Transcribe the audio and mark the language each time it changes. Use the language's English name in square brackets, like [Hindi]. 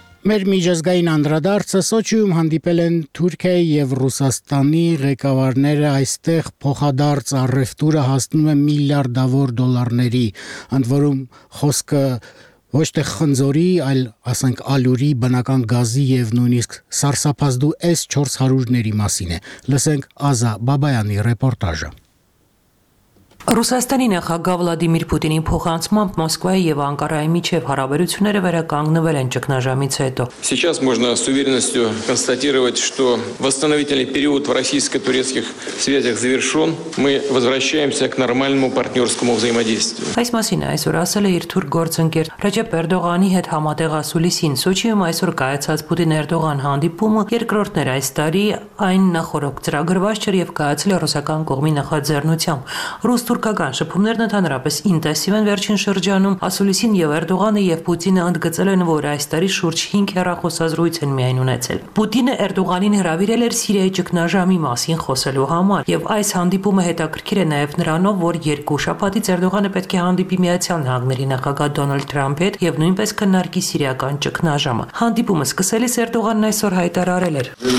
[Armenian] Մեր միջազգային անդրադարձը Սոչիում հանդիպել են Թուրքիայի և Ռուսաստանի ղեկավարները, այստեղ փոխադարձ առևտուրը հասնում է միլիարդավոր դոլարների, ընդ որում խոսքը ոչ թե խնձորի, այլ ասենք ալյուրի, բնական գազի և նույնիսկ սարսափազդու S-400-ների մասին է։ Լսենք Ազա Բաբայանի ռեպորտաժը։ Ռուսաստանի նախագահ Վլադիմիր Պուտինի փոխանցումը Մոսկվայի եւ Անկարայի միջև հարաբերությունները վերականգնվել են ճգնաժամից հետո։ [Russian] Сейчас можно с уверенностью констатировать, что восстановительный период в российско-турецких связях завершён. Мы возвращаемся к нормальному партнёрскому взаимодействию։ [Armenian] Այս մասին այսօր ասել է իր թուրք գործընկեր Ռեջեփ Էրդողանի հետ համատեղ ասուլիսին Սոչիում այսօր կայացած Պուտին-Էրդողան հանդիպումը երկրորդն էր այս տարի այն նախորդ ծրագրված չէր եւ կայացել ռուսական կողմի նախաձեռնությամբ։ Ռուս-թուրքական շփումներն ընդհանրապես ինտենսիվ են վերջին շրջանում։ Ասուլիսին եւ Էրդողանը եւ Պուտինը ընդգծել են, որ այս տարի շուրջ 5 հեռախոսազրույց են միայն ունեցել։ Պուտինը Էրդողանին հրավիրել էր Սիրիայի ճգնաժամի մասին խոսելու համար, եւ այս հանդիպումը հետաքրքիր է նաեւ նրանով, որ երկու շաբաթից Էրդողանը պետք է հանդիպի Միացյալ Նահանգների նախագահ Դոնալդ Թրամփի հետ եւ նույնպես քննարկի սիրիական ճգնաժամը։ Հանդիպումը սկսելիս Էրդողանն այսօր հայտարարել էր.